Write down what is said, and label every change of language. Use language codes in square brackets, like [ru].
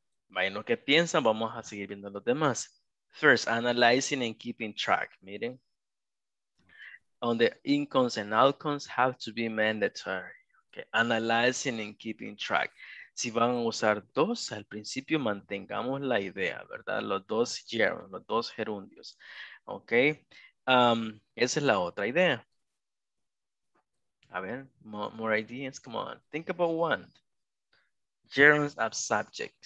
[es] Imagino que piensan, vamos a seguir viendo los demás. [en] First, analyzing and keeping track, [es] miren. [en] On the incomes and outcomes have to be mandatory. Okay. Analyzing and keeping track. [es] Si van a usar dos, al principio mantengamos la idea, ¿verdad? Los dos gerundios. Ok. Esa es la otra idea. A ver, [en] more ideas. Come on. Think about one. Gerunds as subject.